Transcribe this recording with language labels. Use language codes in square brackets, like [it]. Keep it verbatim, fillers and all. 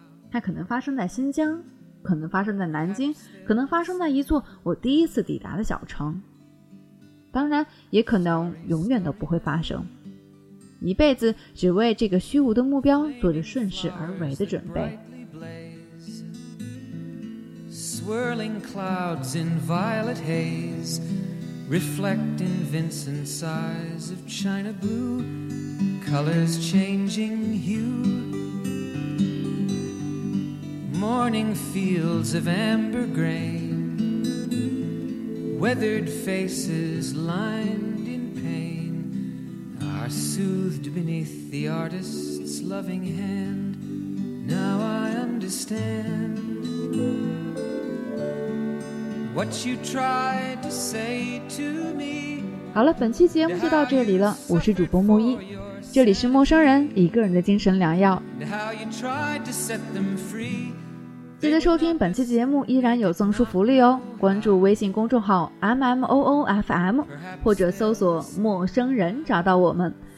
[zh] 它可能发生在新疆，可能发生在南京，可能发生在一座我第一次抵达的小城，当然也可能永远都不会发生。一辈子只为这个虚无的目标做着顺势而为的准备。 [en] Swirling clouds in violet haze reflect in Vincent's eyes of china blue, colors changing hue, morning fields of amber grain, weathered faces lined in pain are soothed beneath the artist's loving hand. Now I understand What you tried to say to me. [zh] 好了，本期节目就到这里了，我是主播木一，这里是陌生人一个人的精神良药。记得收听本期节目，依然有赠书福利哦，关注微信公众号 M M O O F M 或者搜索陌生人找到我们。